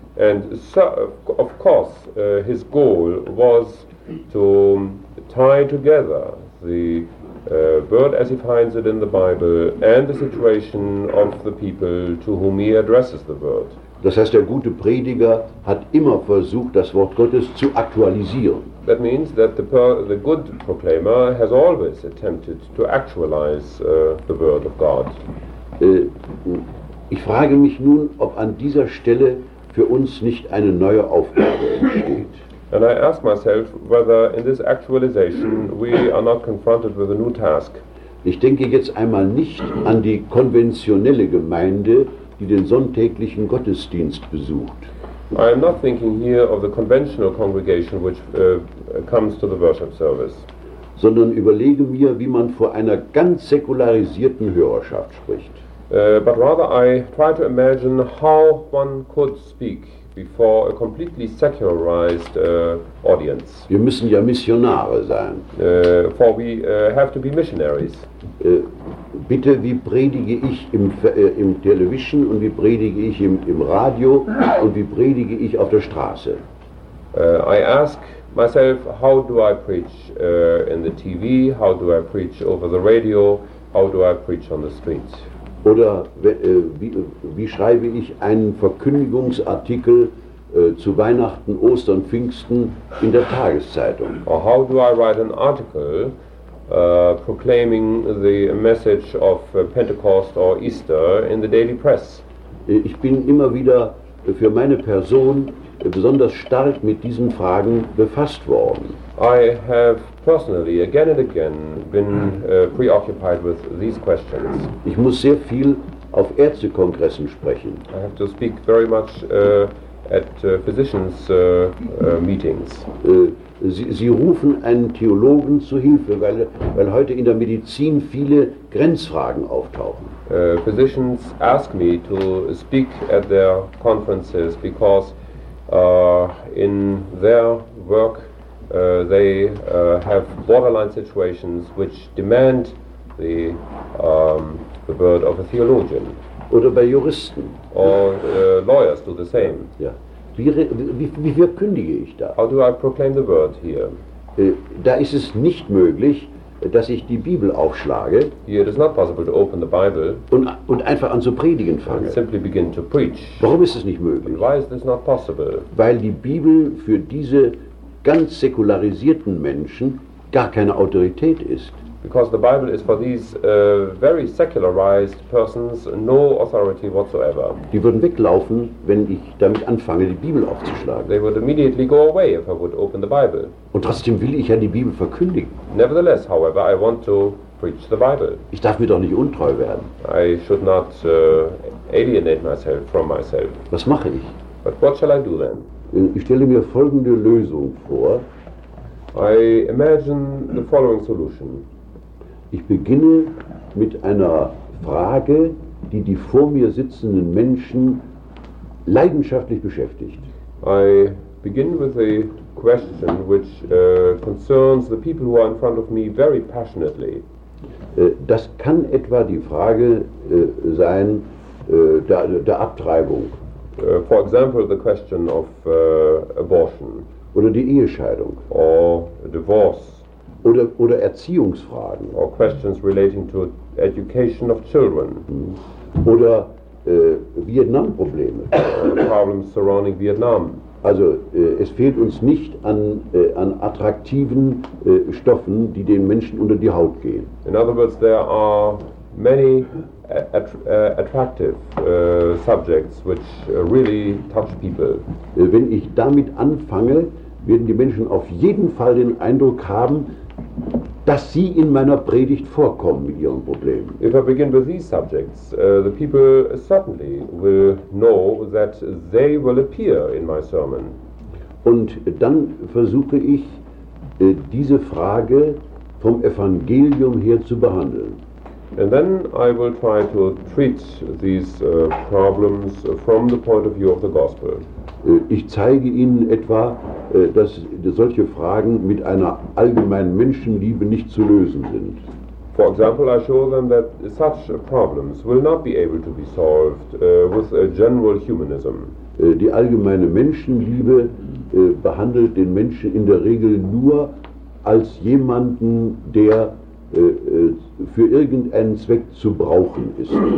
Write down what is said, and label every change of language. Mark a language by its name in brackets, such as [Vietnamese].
[English] And so, of course, his goal was to tie together the word as he finds it in the Bible and the situation of the people to whom he addresses the word. [German] Das heißt, der gute Prediger hat immer versucht, das Wort Gottes zu aktualisieren. [English] That means that the good proclaimer has always attempted to actualize the word of God. [German] Ich frage mich nun, ob an dieser Stelle für uns nicht eine neue Aufgabe entsteht. [English] And I ask myself whether in this actualization we are not confronted with a new task. [German] Ich denke jetzt einmal nicht an die konventionelle Gemeinde, die den sonntäglichen Gottesdienst besucht. [English] I am not thinking here of the conventional congregation which comes to the worship service. [German] Sondern überlege mir, wie man vor einer ganz säkularisierten Hörerschaft spricht. [English] But rather I try to imagine how one could speak before a completely secularized audience. [German] Wir müssen ja Missionare sein. [English] For we have to be missionaries. [German] Bitte, wie predige ich im Television und wie predige ich im Radio und wie predige ich auf der Straße? [English] I ask myself, how do I preach in the TV, how do I preach over the radio, how do I preach on the streets? [German] Oder wie schreibe ich einen Verkündigungsartikel zu Weihnachten, Ostern, Pfingsten in der Tageszeitung? [English] Or how do I write an article proclaiming the message of Pentecost or Easter in the daily press? [German] Ich bin immer wieder für meine Person besonders stark mit diesen Fragen befasst worden. [English] I have personally again and again been preoccupied with these questions. [German] Ich muss sehr viel auf Ärztekongressen sprechen. [English] I have to speak very much at physicians meetings. [German] Sie rufen einen Theologen zu Hilfe, weil heute in der Medizin viele Grenzfragen auftauchen. [English] Physicians ask me to speak at their conferences because in their work they have borderline situations which demand the word of a theologian. [German] Oder bei Juristen. [English] Or lawyers do the same. [German] Ja. Wie verkündige ich da? [English] How do I proclaim the word here? [German] Da ist es nicht möglich, dass ich die Bibel aufschlage. [English] Here it is not possible to open the Bible. [German] Und einfach an zu predigen fange. [English] And simply begin to preach. [German] Warum ist es nicht möglich? [English] And why is this not possible? [German] Weil die Bibel für diese ganz säkularisierten Menschen gar keine Autorität ist. [English] Because the Bible is for these very secularized persons no authority whatsoever. [German] Die würden weglaufen, wenn ich damit anfange, die Bibel aufzuschlagen. [English] They would immediately go away if I would open the Bible. [German] Und trotzdem will ich ja die Bibel verkündigen. [English] Nevertheless, however, I want to preach the Bible. [German] Ich darf mir doch nicht untreu werden. [English] I should not alienate myself from myself. [German] Was mache ich? [English] But what shall I do then? [German] Ich stelle mir folgende Lösung vor. [English] I imagine the following solution. [German] Ich beginne mit einer Frage, die die vor mir sitzenden Menschen leidenschaftlich beschäftigt. [English] I begin with a question which concerns the people who are in front of me very passionately. [German] Das kann etwa die Frage sein der Abtreibung. [English] For example, the question of abortion. [German] Oder die Ehescheidung. [English] Or divorce. [German] Oder Erziehungsfragen. [English] Or questions relating to education of children. [German] Oder Vietnam-Probleme. [English] Problems surrounding Vietnam. [German] Also es fehlt uns nicht an attraktiven Stoffen, die den Menschen unter die Haut gehen. [English] In other words, there are many attractive subjects which really touch people. [German] Wenn ich damit anfange, werden die Menschen auf jeden Fall den Eindruck haben, dass sie in meiner Predigt vorkommen mit ihren Problemen. [English] If I begin with these subjects, the people certainly will know that they will appear in my sermon. [German] Und dann versuche ich, diese Frage vom Evangelium her zu behandeln. [English] And then I will try to treat these problems from the point of view of the gospel. [German] Ich zeige Ihnen etwa, dass solche Fragen mit einer allgemeinen Menschenliebe nicht zu lösen sind. [English] For example, I show them that such problems will not be able to be solved with a general humanism. [German] Die allgemeine Menschenliebe behandelt den Menschen in der Regel nur als jemanden, der für irgendeinen Zweck zu brauchen ist.